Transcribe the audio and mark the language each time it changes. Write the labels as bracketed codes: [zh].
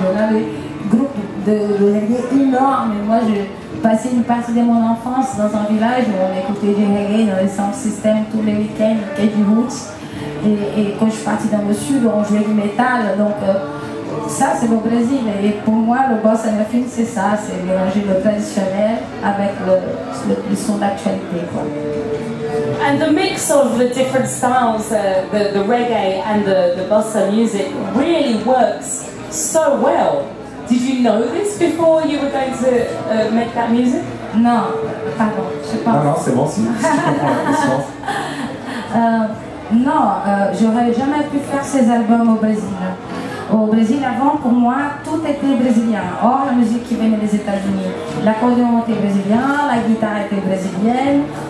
[fr] On a des groupes de reggae énormes. Et moi, j'ai passé une partie de mon enfance dans un village où on écoutait du reggae dans les sound systems tous les week-ends et du roots. Et quand je suis partie dans le sud, on jouait du métal, donc ça c'est le Brésil. Et pour moi, le bossa mafia, c'est ça, c'est mélanger le traditionnel avec le son d'actualité. [en] And the mix of the different styles, the reggae and the bossa music, really works so well. Did you know this before you were going to make that music? [fr] Non, pardon, je ne sais pas. Non, non, c'est bon, si tu comprends la question. Non, j'aurais jamais pu faire ces albums au Brésil. Au Brésil, avant, pour moi, tout était brésilien. Or, la musique qui venait des États-Unis, l'accordéon était brésilien, la guitare était brésilienne.